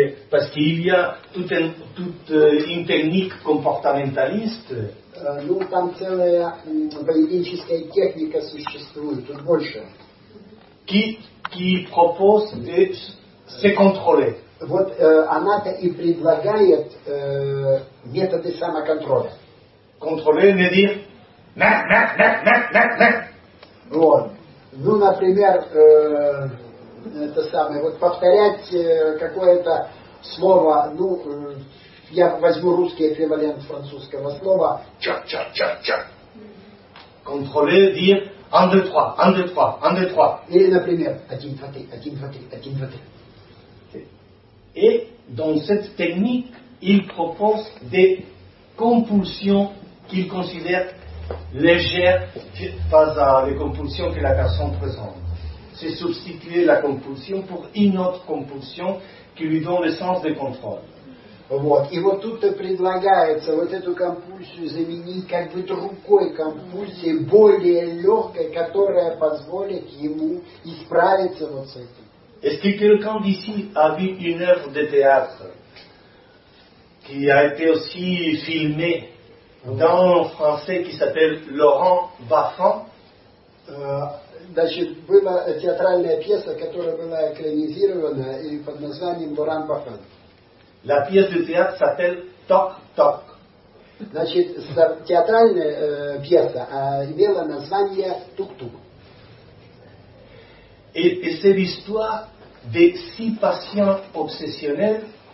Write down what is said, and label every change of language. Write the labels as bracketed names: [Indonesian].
[French] parce qu'il y a toute une technique comportementaliste. [Russian] Ну, там целая поведенческая техника существует, тут больше. [French] Qui propose de se contrôler. [Russian] Вот она-то и предлагает методы самоконтроля. Контролер, не [French] dire [Russian] «на-на-на-на-на-на». Вот. Ну, например, это самое, вот повторять какое-то слово, ну, я возьму русский эквивалент французского слова «ча-ча-ча-ча». Контролер, [French] dire «un, deux, trois, un, deux, trois, un, deux, trois». [Russian] Или, например, «один, два, три, один, два, три, один, два, три». [French] Et dans cette technique, il propose des compulsions qu'il considère légères face à les compulsions que la personne présente. C'est substituer la compulsion pour une autre compulsion qui lui donne le sens de contrôle. [Russian] Вот. И вот тут предлагается вот эту компульсию заменить как бы другой компульсией, более легкой, которая позволит ему исправиться вот с этим. [French] Est-ce que quelqu'un d'ici a vu une œuvre de théâtre qui a été aussi filmée dans le français qui s'appelle Laurent Baffin? [Russian] Значит, была театральная пièce, которая была экранизирована и под названием Laurent Baffin. [French] La pièce de théâtre s'appelle Toc Toc. [Russian] Значит, театральная пièce имела название Тук Тук. [French] Et c'est l'histoire de six patients obsessionnels.